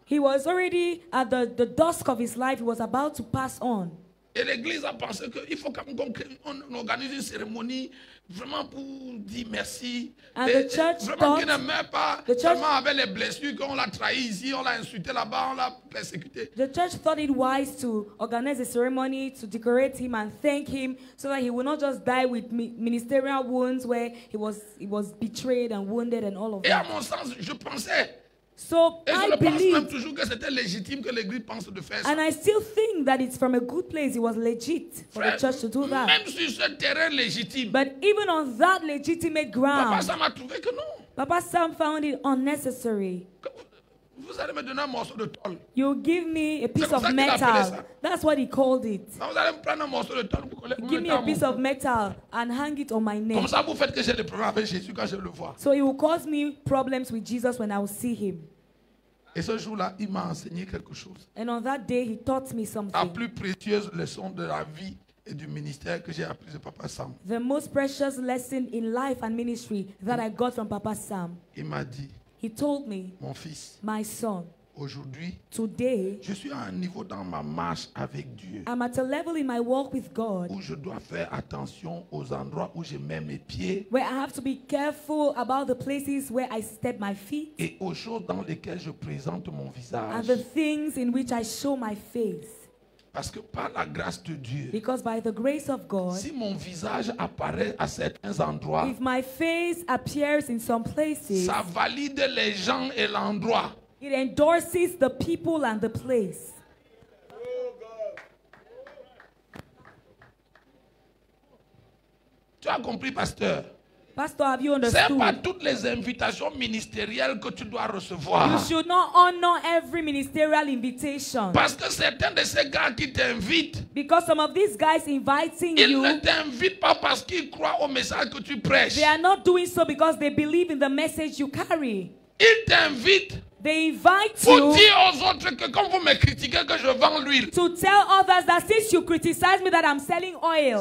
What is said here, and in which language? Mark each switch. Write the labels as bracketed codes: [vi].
[en] He was already at the dusk of his life, he was about to pass on. [fr] Et l'église a pensé qu'il faut qu'on organise une cérémonie vraiment pour dire merci. [en] And [fr] et vraiment qu'il ne meurt pas seulement avec les blessures qu'on l'a trahi ici, on l'a insulté là-bas, on l'a persécuté. [en] The church thought it wise to organize a ceremony to decorate him and thank him so that he will not just die with ministerial wounds where he was betrayed and wounded and all of [fr] et [en] that. [fr] Et à mon sens, je pensais. [en] So [fr] et [en] I believe, [fr] même toujours que c'était légitime que l'église pense de faire ça. [en] And I still think that it's from a good place. It was legit for the church to do that. [fr] Même sur ce terrain légitime. [en] But even on that legitimate ground. [fr] Papa Sam a trouvé que non. [en] Papa Sam found it unnecessary. [fr] Vous allez me donner un morceau de tôle. [en] You give me a piece of metal. That's what he called it. [fr] Vous allez me prendre un morceau de tôle pour coller. [en] Give me a piece of metal and hang it on my neck. [fr] Comme ça vous faites que j'ai des problèmes avec Jésus quand je le vois. [en] So it will cause me problems with Jesus when I will see him. [fr] Et ce jour-là, il m'a enseigné quelque chose. [en] And on that day, he taught me something. [fr] La plus précieuse leçon de la vie et du ministère que j'ai appris de Papa Sam. [en] The most precious lesson in life and ministry that I got from Papa Sam. [fr] Il m'a dit. [en] He told me, [fr] mon fils, [en] my son, [fr] aujourd'hui, [en] today, [fr] je suis à un niveau dans ma marche avec Dieu. [en] I'm at a level in my walk with God, [fr] où je dois faire attention aux endroits où je mets mes pieds. [en] Where I have to be careful about the places where I step my feet. [fr] Et aux choses dans lesquelles je présente mon visage. [en] And the things in which I show my face. [fr] Parce que par la grâce de Dieu, [en] because by the grace of God, [fr] si mon visage apparaît à certains endroits, [en] if my face appears in some places, [fr] ça valide les gens et l'endroit. [en] It endorses the people and the place. [fr] Tu as compris, pasteur? [en] Pastor, have you understood? [fr] C'est pas toutes les invitations ministérielles que tu dois recevoir. [en] You should not honor every ministerial invitation. [fr] Parce que certains de ces gars qui t'invitent, [en] because some of these guys inviting [fr] ils [en] you, [fr] ils ne t'invitent pas parce qu'ils croient au message que tu prêches. [en] They are not doing so because they believe in the message you carry. [fr] Ils t'invitent. [en] They invite [fr] Pour dire aux autres que comme vous me critiquez que je vends l'huile. [en] To tell others that since you criticize me that I'm selling oil.